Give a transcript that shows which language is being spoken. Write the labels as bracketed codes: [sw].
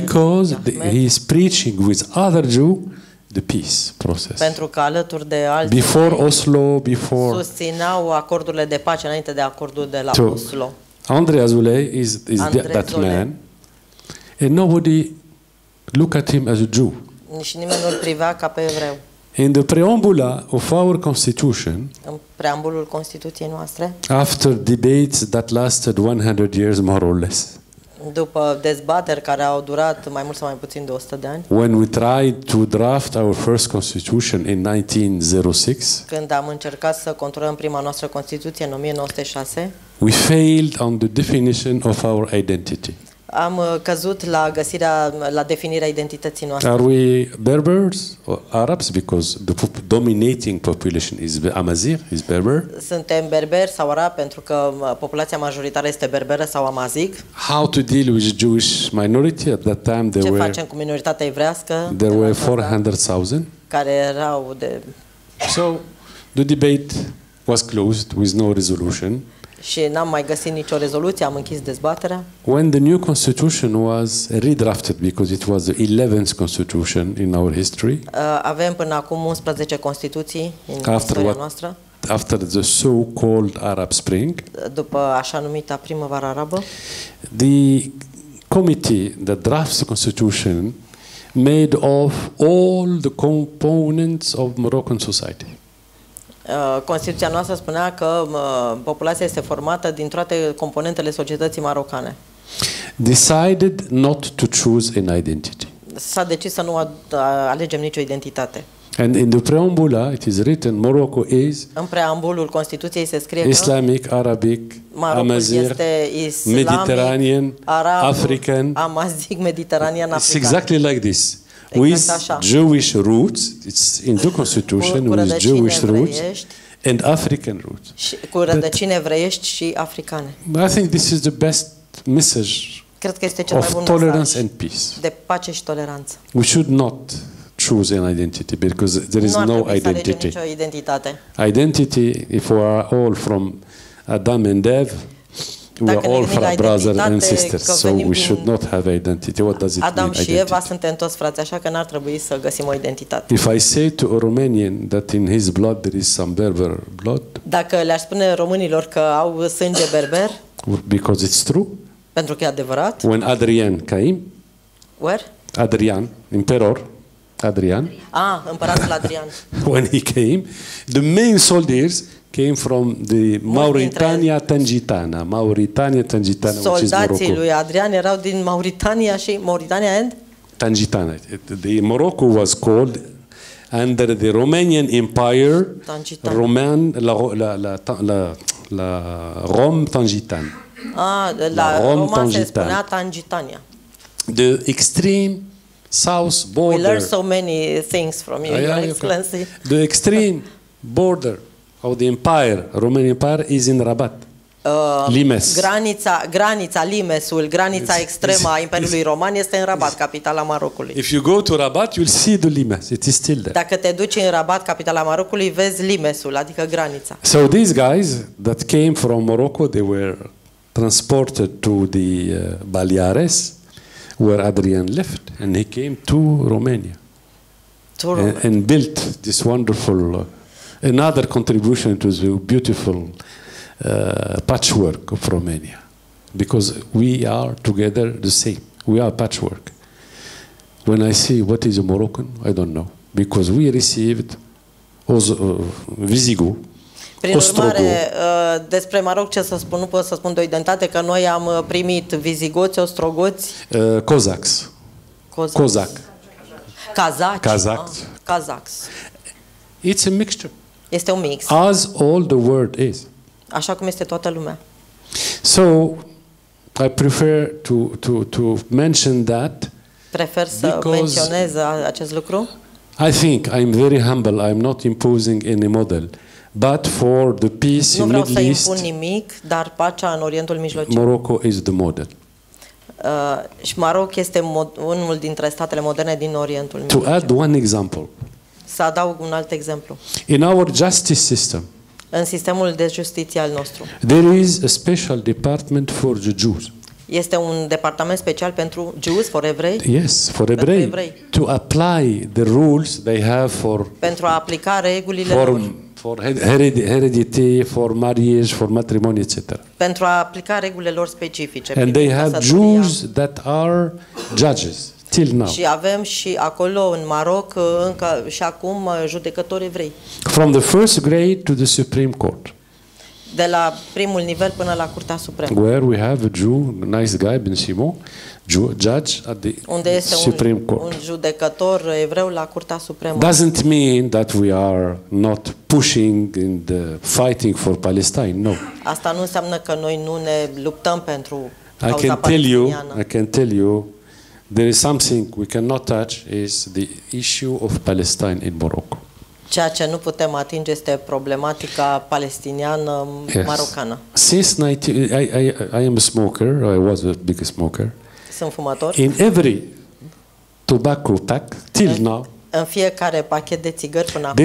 [en] Because he is preaching with other Jew the peace process. [ro] Pentru că alături de alți. [en] Before Oslo, before. [ro] Susținau acordurile de pace înainte de acordul de la Oslo. [en] Andrei Azoulay is that man. And nobody look at him as a Jew. [ro] Nici nimeni nu-l privea ca pe evreu. [en] In the preambula of our constitution. [ro] În preambulul constituției noastre. [en] After debates that lasted 100 years more or less. [ro] După dezbateri care au durat mai mult sau mai puțin de 100 de ani. [en] When we tried to draft our first constitution in 1906. [ro] Când am încercat să controlăm prima noastră constituție în 1906. [en] We failed on the definition of our identity. [ro] Am căzut la găsirea, la definirea identității noastre. [en] Are we Berbers or Arabs? Because the dominating population is Amazigh, is Berber. [ro] Suntem berberi sau arabi pentru că populația majoritară este berberă sau amazig. [en] How to deal with Jewish minority at that time? [ro] Ce facem cu minoritatea evrească? [en] There were 400,000. [ro] Care erau de. [en] So the debate was closed with no resolution. [ro] Și n-am mai găsit nicio rezoluție, am închis dezbaterea. [en] When the new constitution was redrafted because it was the 11th constitution in our history. [ro] Avem până acum 11 constituții în [en] after [ro] istoria noastră. [en] After the so-called Arab Spring. [ro] După așa numita primăvară arabă. [en] The committee that drafts the constitution made of all the components of Moroccan society. [ro] Constituția noastră spunea că populația este formată din toate componentele societății marocane. [en] Decided not to choose an identity. [ro] S-a decis să nu alegem nicio identitate. [en] And in the preambula it is written Morocco is. [ro] În preambulul constituției se scrie că [en] Islamic, Arabic, Amazigh, Mediterranean, Arab, African. [ro] Amazigh, Mediteranean, African. [en] It's exactly like this. With Jewish roots, it's in the constitution with Jewish roots and African roots. [ro] Cu rădăcini evreiești și africane. [en] I think this is the best message. [ro] Cred că este cel [en] of tolerance and peace. [ro] De pace și toleranță. [en] We should not choose an identity because there is no identity. [ro] Nu are nicio identitate. [en] Identity, if we are all from Adam and Eve. We are all from brothers and sisters, so we should not have identity. What does it Adam mean? [ro] Adam și Eva suntem toți frați, așa că n-ar trebui să găsim o identitate. [en] If I say to a Romanian that in his blood there is some Berber blood. [ro] Dacă le-aș spune românilor că au sânge berber. [en] Because it's true. [ro] Pentru că e adevărat. [en] When Adrian came. Where? Adrian, imperator. Adrian. [ro] Ah, împăratul Adrian. [en] When he came, the main soldiers came from the Mauritania Tangitana. Mauritania Tangitana, which is Morocco. [ro] Soldații lui Adrian erau din Mauritania și Mauritania and? Tangitana. [en] The Morocco was called under the Romanian Empire. Tangitana. Roman, la Rome Tangitana. [ro] Ah, [la] la Rome, [ro] Roma Tangitana. Se spunea Tangitania. [en] The extreme south border. We learned so many things from you, Your Excellency. The extreme border. Of the empire, Roman Empire is in Rabat. Limes. [ro] Granița Limesul, granița extremă a Imperiului Roman este în Rabat, capitala Marocului. [en] If you go to Rabat, you'll see the Limes. It is still there. [ro] Dacă te duci în Rabat, capitala Marocului, vezi Limesul, adică granița. [en] So these guys that came from Morocco, they were transported to the Baleares where Adrian left and he came to Romania. To Romania. And built this wonderful another contribution to the beautiful patchwork of Romania. Because we are together the same. We are patchwork. When I see what is a Moroccan, I don't know. because we received Visigu. [ro] Prin urmare, despre Maroc ce să spun, nu pot să spun de o identitate, că noi am primit vizigoți, ostrogoți. [en] Cozacs. Cozac. Kazaks. Kazaks. Kazaks. It's a mixture. [ro] Este un mix. [en] As all the world is. [ro] Așa cum este toată lumea. [en] So, I prefer to mention that. [ro] Prefer să menționez acest lucru. [en] I think I'm very humble. I'm not imposing any model. But for the peace in Middle East. [ro] Nu vreau să impun nimic, dar pacea în Orientul Mijlociu. [en] Morocco is the model. [ro] Și Maroc este unul dintre statele moderne din Orientul Mijlociu. [en] To add one example. [ro] Să adaug un alt exemplu. [en] In our justice system. [ro] În sistemul de justiție al nostru. [en] There is a special department for the Jews. [ro] Este un departament special pentru [en] Jews, for [ro] evrei? [en] Yes, for evrei. To apply the rules they have for. [ro] Pentru a aplica regulile lor. [en] For heredity, for marriage, for matrimony, etc. [ro] Pentru a aplica regulile lor specifice. [en] And they have Jews that are judges till now. [ro] Și avem și acolo în Maroc încă și acum judecători evrei. [en] From the first grade to the Supreme Court. [ro] De la primul nivel până la Curtea Supremă. [en] Where we have a Jew, a nice guy, Ben Simon, judge at the [ro] unde este [en] Supreme Court. [ro] Un judecător evreu la Curtea Supremă. [en] Doesn't mean that we are not pushing and fighting for Palestine, no. [ro] Asta nu înseamnă că noi nu ne luptăm pentru cauza palestiniană. [en] I can tell you, there is something we cannot touch, is the issue of Palestine in Morocco. [ro] Ceea ce nu putem atinge este problematica palestiniană marocană. [en] I am a smoker, I was a big smoker. [ro] Sunt fumător. [en] In every tobacco pack till now. [ro] În fiecare pachet de țigări până acum.